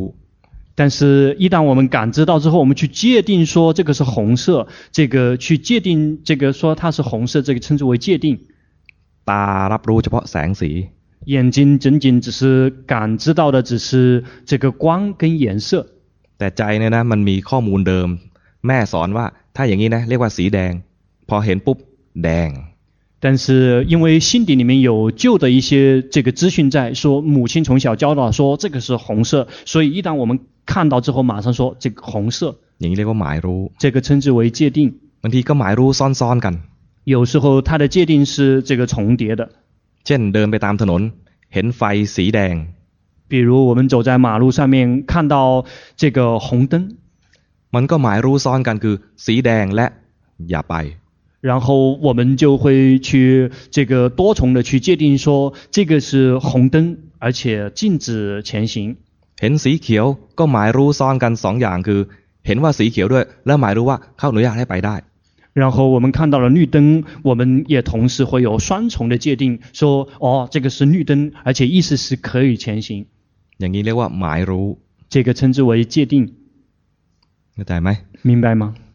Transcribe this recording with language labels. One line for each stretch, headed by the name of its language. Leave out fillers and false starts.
Chinese: 但是一旦我们感知到之后我们去界定说这个是红色这个去界定这个说它是红色这个称之为界定
Thai: ตารับรู้เฉพาะแสงสี
Chinese: 眼睛仅仅只是感知到的只是这个光跟颜色
Thai: แต่ใจเนี่ยนะมันมีข้อมูลเดิมแม่สอนว่าถ้าอย่างนี้นะเรียกว่าสีแดงพอเห็นปุ๊บแดง
Chinese: 但是因为心底里面有旧的一些这个资讯在说母亲从小教导说这个是红色所以一旦我们看到之后马上说这个红色
Thai: อย่างนี้เรียกว่าหมายรู้
Chinese: 这个称之为界定
Thai: บางทีก็หมายรู้ซ้อนๆกัน
Chinese: 有时候它的界定是这个重叠的
Thai: เช่นเดินไปตามถนนเห็นไฟสีแดง
Chinese: 比如我们走在马路上面看到这个红灯
Thai: มันก็หมายรู้ซ้อนกันคือสีแดงและอย่าไป
Chinese: 然后我们就会去这个多重的去界定说这个是红灯而且禁止前行
Thai: เห็นสีเขียวก็หมายรู้ซ้อนกันสองอย่างคือเห็นว่าสีเขียวด้วยแล้วหมายรู้ว่าเขาอนุญาตให้ไปได้
Chinese: 然后我们看到了绿灯我们也同时会有双重的界定说哦这个是绿灯而且意思是可以前行
Thai: อย่างนี้เรียกว่าหมายรู้
Chinese: 这个称之为界定
Thai: เข้าใจไหม
Chinese: 明白吗